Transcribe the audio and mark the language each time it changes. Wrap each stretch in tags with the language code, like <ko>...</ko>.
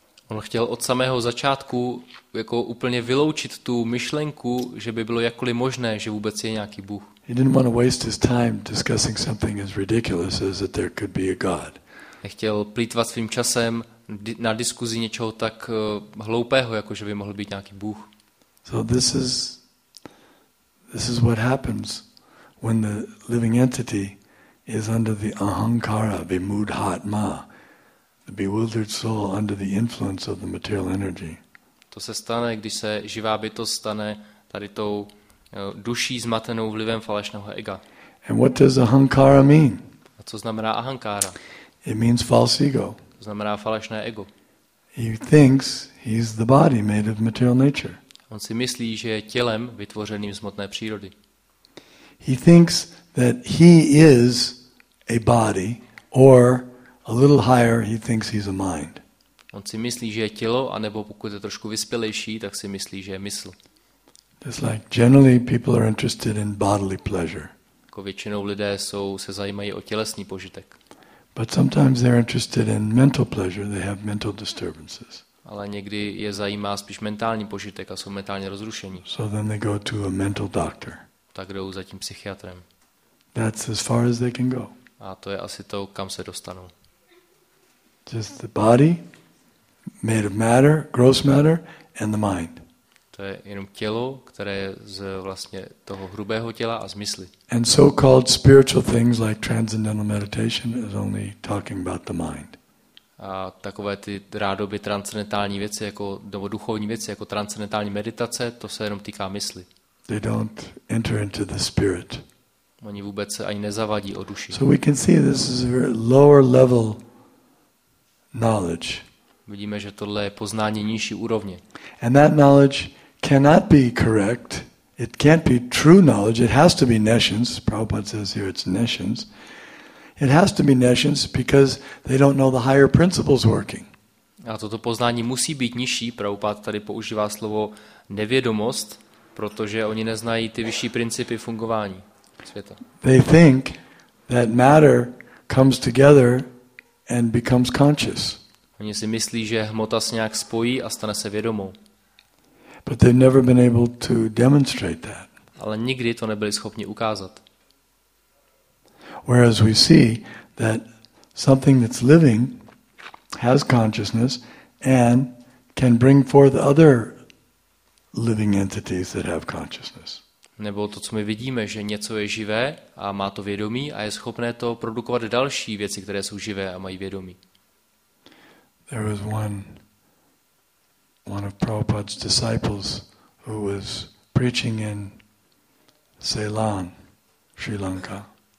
<cs>On chtěl od samého začátku jako úplně vyloučit tu myšlenku, že by bylo jakkoliv možné, že vůbec je nějaký Bůh.</cs> <en>He didn't want to waste his time discussing something as ridiculous as that there could be a God.</en> <cs>Nechtěl plýtvat svým časem na diskuzi něčeho tak hloupého, jako že by mohl být nějaký Bůh.</cs> <en>So this is what happens when the living entity is under the ahankara vimudhatma, the bewildered soul under the influence of the material energy.</en> <cs>To se stane, když se živá bytost stane tady tou duší zmatenou vlivem falešného ega.</cs> <en>And what does ahankara mean?</en> <cs>A co znamená ahankara?</cs> <en>It means false ego.</en> <cs>To znamená falešné ego.</cs> <en>He thinks he's the body made of material nature.</en> <cs>On si myslí, že je tělem vytvořeným z hmotné přírody.</cs> <en>He thinks that he is a body, or a little higher, he thinks he's a mind.</en> <cs>On si myslí, že je tělo, anebo pokud je trošku vyspělejší, tak si myslí, že je mysl.</cs> <en>It's like generally people are interested in bodily pleasure.</en> <cs>Jako většinou lidé se zajímají o tělesný požitek.</cs> <en>But sometimes they're interested in mental pleasure, they have mental disturbances.</en> <cs>Ale někdy je zajímá spíš mentální požitek a jsou mentálně rozrušení.</cs> <en>So then they go to a mental doctor.</en> <cs>Tak jdou za tím psychiatrem.</cs> <en>That's as far as they can go.</en> <cs>A to je asi to, kam se dostanou.</cs> <en>Just the body made of matter, gross matter, and the mind.</en> <cs>To je jenom tělo, které je z vlastně toho hrubého těla a z mysli.</cs> <en>And so-called spiritual things like transcendental meditation is only talking about the mind.</en> <cs>A takové ty rádoby transcendentální věci jako nebo duchovní věci jako transcendentální meditace, to se jenom týká mysli.</cs> <en>They don't enter into the spirit.</en> <cs>Oni vůbec se ani nezavadí o duši.</cs> <en>So we can see this is a lower level knowledge.</en> <cs>Vidíme, že tohle je poznání nižší úrovně.</cs> <en>And that knowledge cannot be correct. It can't be true knowledge. It has to be nescience. Prabhupada says here it's nescience. It has to be nescience because they don't know the higher principles working.</en> <cs>A toto poznání musí být nižší. Prabhupada tady používá slovo nevědomost, protože oni neznají ty vyšší principy fungování světa.</cs> <en>They think that matter comes together and becomes conscious.</en> <cs>Oni si myslí, že hmota se nějak spojí a stane se vědomou.</cs> <en>But they've never been able to demonstrate that.</en> <cs>Ale nikdy to nebyli schopni ukázat.</cs> <en>Whereas we see that something that's living has consciousness and can bring forth other living entities that have consciousness.</en> <cs>Nebo to, co my vidíme, že něco je živé a má to vědomí a je schopné to produkovat další věci, které jsou živé a mají vědomí.</cs> <en>There was one of Prabhupada's disciples who was preaching in Ceylon, Sri Lanka.</en>